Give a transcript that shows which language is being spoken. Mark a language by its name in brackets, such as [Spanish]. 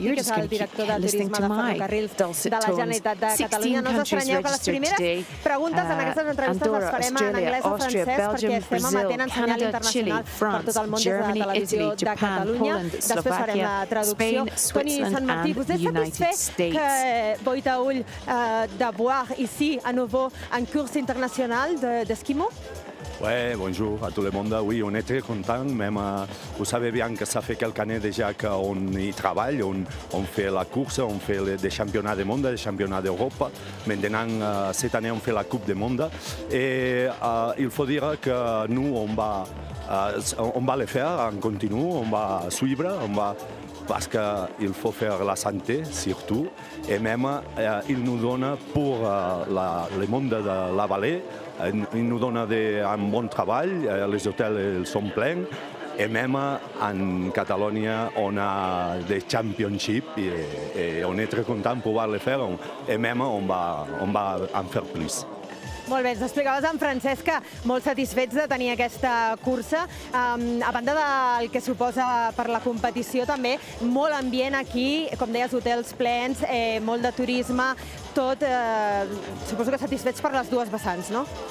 [English] You're just going to keep listening to my dulcet tones. 16 countries registered today. Andorra, Australia, Austria, Belgium, Brazil, Canada, Chile, France, Germany, Italy, Japan, Poland, Slovakia, Spain, Switzerland, and the United States. [French] D'avoir ici à nouveau une course internationale d'Eskimo. Oui, bonjour à tout le monde. Oui, on est très content. Même, vous savez bien que ça fait quelques années déjà qu'on y travaille, on fait la course, on fait des championnats de monde, des championnats d'Europe. Maintenant, cette année, on fait la Coupe du monde. Et il faut dire que nous, on va le faire en continu, on va suivre, on va. Parce qu'il faut faire la santé, surtout, et même il nous donne pour le monde de la vallée, il nous donne un bon travail, les hôtels sont pleins, et même en Catalogne, on a des championships et on est très content de pouvoir le faire et même on va en faire plus. [Catalan] Molt bé, ens explicaves amb Francesc, molt satisfets de tenir aquesta cursa. A banda del que suposa per la competició, també molt ambient aquí, com deies, hotels plens, molt de turisme, tot, suposo que satisfets per les dues vessants, no?